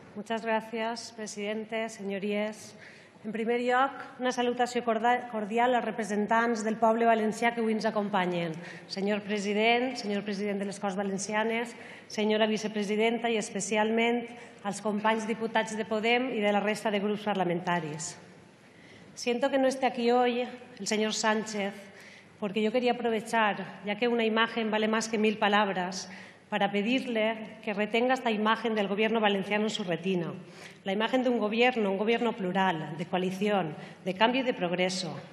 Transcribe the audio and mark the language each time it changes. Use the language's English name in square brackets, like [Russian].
[Spanish] Muchas gracias, presidente, señorías. [Catalan] En primer lloc, una salutació cordial als representants del poble valencià que avui ens acompanyen. Senyor president de les Corts Valencianes, senyora vicepresidenta i especialment als companys diputats de Podem i de la resta de grups parlamentaris. [Spanish] Siento que no esté aquí hoy el señor Sánchez, porque yo quería aprovechar, ya que una imagen vale más que mil palabras, para pedirle que retenga esta imagen del Gobierno valenciano en su retina. La imagen de un gobierno plural, de coalición, de cambio y de progreso.